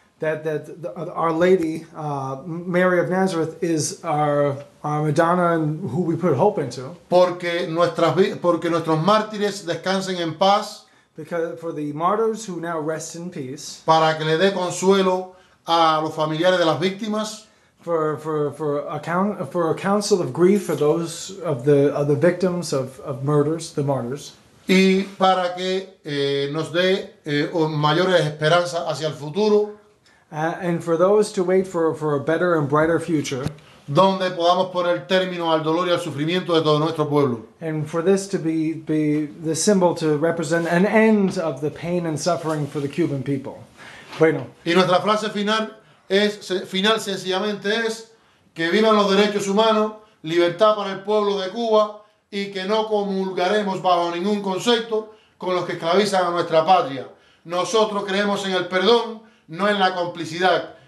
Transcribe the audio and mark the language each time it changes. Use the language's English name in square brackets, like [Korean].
[English] that Our Lady, Mary of Nazareth, is our Madonna and who we put hope into. [Spanish] Porque nuestros mártires descansen en paz. [English] Because for the martyrs who now rest in peace. [Spanish] Para que le dé consuelo a los familiares de las víctimas. [English] For a council of grief for those of the victims of murders, the martyrs. [Spanish] Y para que nos dé mayores esperanzas hacia el futuro. [English] And for those to wait for a better and brighter future. [Spanish] Donde podamos poner término al dolor y al sufrimiento de todo nuestro pueblo. [English] And for this to be the symbol to represent an end of the pain and suffering for the Cuban people. [Spanish] Bueno. Y nuestra frase final sencillamente es que vivan los derechos humanos, libertad para el pueblo de Cuba y que no comulgaremos bajo ningún concepto con los que esclavizan a nuestra patria. Nosotros creemos en el perdón, no en la complicidad.